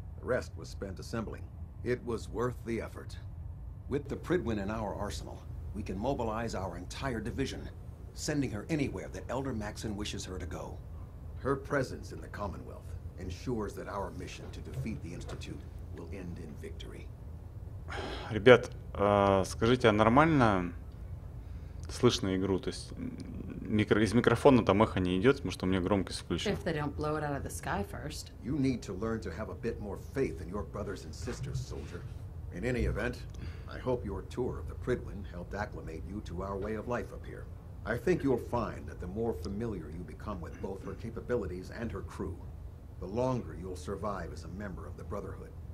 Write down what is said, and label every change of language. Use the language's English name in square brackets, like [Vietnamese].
[English] The rest was spent assembling. It was worth the effort. With the Prigwen in our arsenal, we can mobilize our entire division, sending her anywhere that Elder Maxon wishes her to go. Her presence in the Commonwealth ensures that our mission to defeat the Institute will end in victory. [Russian] Ребят, скажите, а нормально слышно игру? То есть... Из микрофона там эхо не идет, потому что у меня громкость включена. [English] You need to learn to have a bit more faith in your brothers and sisters, soldier. In any event, I hope your tour of the Prigwen helped acclimate you to our way of life up here. I think you'll find that the more familiar you become with both her capabilities and her crew, the longer you'll survive as a member of the Brotherhood.